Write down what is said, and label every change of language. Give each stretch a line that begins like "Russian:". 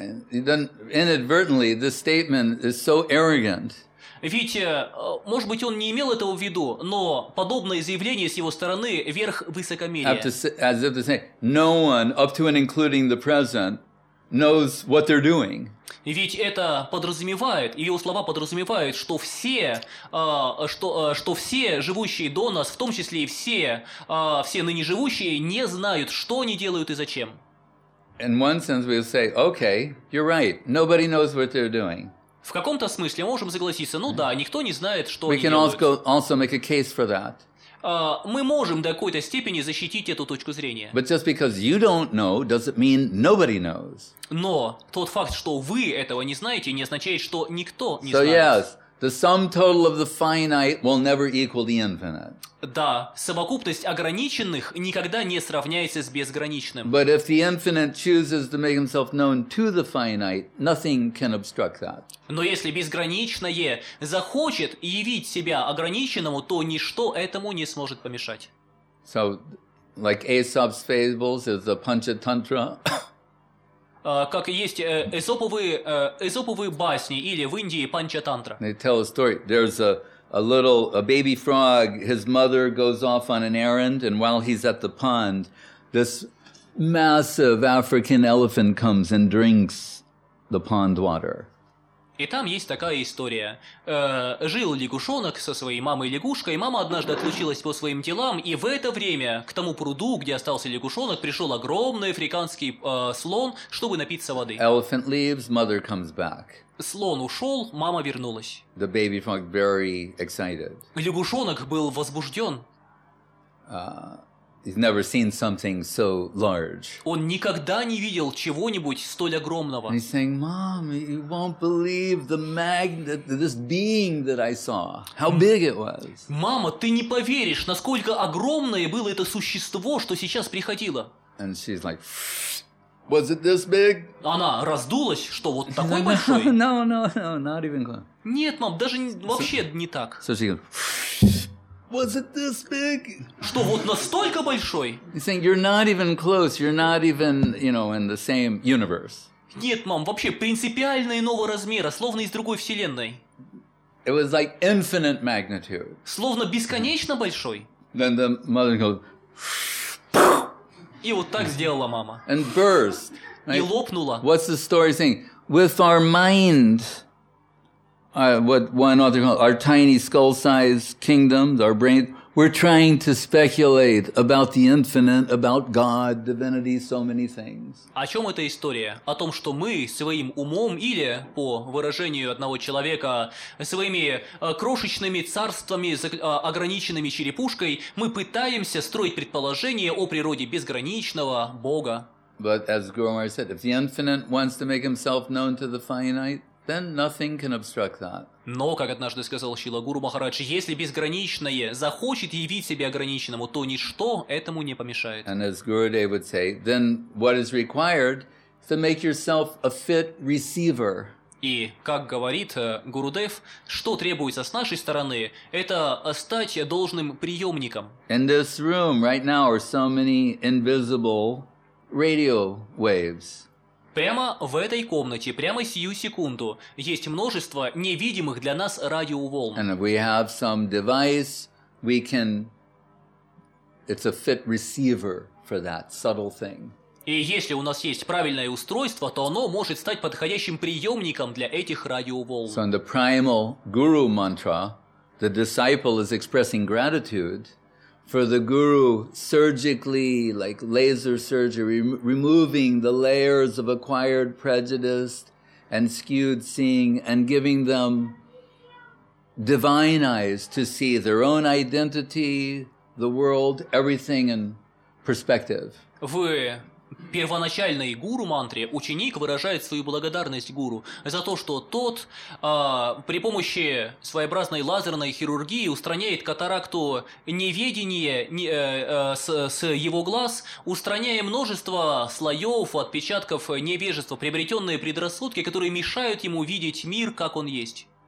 English: Then inadvertently, this statement is so arrogant.
Russian: Ведь, может быть, он не имел этого в виду, но подобное заявление с его стороны верх высокомерия.
English: As if to say, no one, up to and including the present, knows what they're doing.
Russian: Ведь это подразумевает, его слова подразумевают, что все живущие до нас, в том числе и все ныне живущие, не знают, что они делают и зачем.
English: In one sense, we'll say, okay, you're right. Nobody knows what they're doing.
Russian: В каком-то смысле можем согласиться. Ну да, никто не знает, что они делают.
English: We can also make a case for that.
Russian: Мы можем до какой-то степени защитить эту точку зрения.
English: But just because you don't know, doesn't mean nobody knows.
Russian: Но тот факт, что вы этого не знаете, не означает, что никто не знает.
English: So yes, The sum total of the finite will never equal the infinite.
Russian: Да, совокупность ограниченных никогда не сравняется с безграничным.
English: But if the infinite chooses to make himself known to the finite, nothing can obstruct that.
Russian: Но если безграничное захочет явить себя ограниченному, то ничто этому не сможет помешать.
English: So, like Aesop's fables is the Panchatantra.
Russian: Как есть эзоповые басни или в Индии Панчатантра.
English: They tell a story. There's a baby frog. His mother goes off on an errand, and while he's at the pond, this massive African elephant comes and drinks the pond water.
Russian: И там есть такая история. Жил лягушонок со своей мамой лягушкой. Мама однажды отлучилась по своим делам, и в это время к тому пруду, где остался лягушонок, пришел огромный африканский слон, чтобы напиться воды.
English: Elephant leaves, mother comes back.
Russian: Слон ушел, мама вернулась.
English: The baby frog very excited.
Russian: Лягушонок был возбужден.
English: He's never seen something so large.
Russian: Он никогда не видел чего-нибудь столь огромного.
English: He's saying, "Mom, you won't believe the magnet, this being that I saw. How big it was."
Russian: Мама, ты не поверишь, насколько огромное было это существо, что сейчас приходило.
English: And she's like, "Was it this big?"
Russian: Она раздулась, что вот такой большой.
English: No, not even close.
Russian: Нет, мам, даже вообще не так.
English: So she goes, "Was it this big?"
Russian: Что вот настолько большой?
English: He's saying, "You're not even close. You're not even, you know, in the same universe."
Russian: Нет, мам, вообще принципиально иного размера, словно из другой вселенной.
English: It was like infinite magnitude.
Russian: Словно бесконечно большой.
English: Then the mother goes,
Russian: и вот так сделала мама.
English: And burst.
Russian: И лопнула.
English: What's the story saying? With our mind. What one author called our tiny skull-sized kingdoms, our brains, we're trying to speculate about the infinite, about God, divinity, so many things.
Russian: О чем эта история? О том, что мы своим умом или, по выражению одного человека, своими крошечными царствами, ограниченными черепушкой, мы пытаемся строить предположение о природе безграничного Бога.
English: But as Gurumar said, if the infinite wants to make himself known to the finite, then nothing can obstruct that.
Russian: Но, как однажды сказал Шрила Гуру Махарадж, если безграничное захочет явить себя ограниченному, то ничто этому не помешает.
English: And as Gurudev would say, then what is required is to make yourself a fit receiver.
Russian: И, как говорит Гурудев, что требуется с нашей стороны, это стать должным приемником.
English: In this room right now are so many invisible radio waves.
Russian: Прямо в этой комнате, прямо сию секунду, есть множество невидимых для нас радиоволн.
English: And if we have some device, we can... It's a fit receiver for that subtle thing.
Russian: И если у нас есть правильное устройство, то оно может стать подходящим приемником для этих радиоволн.
English: So in the primal guru mantra, the disciple is expressing gratitude for the guru surgically, like laser surgery, removing the layers of acquired prejudice and skewed seeing and giving them divine eyes to see their own identity, the world, everything in perspective.
Russian: В первоначальной гуру-мантре ученик выражает свою благодарность гуру за то, что тот при помощи своеобразной лазерной хирургии устраняет катаракту неведения с его глаз, устраняя множество слоев, отпечатков невежества, приобретенные предрассудки, которые мешают ему видеть мир, как он есть.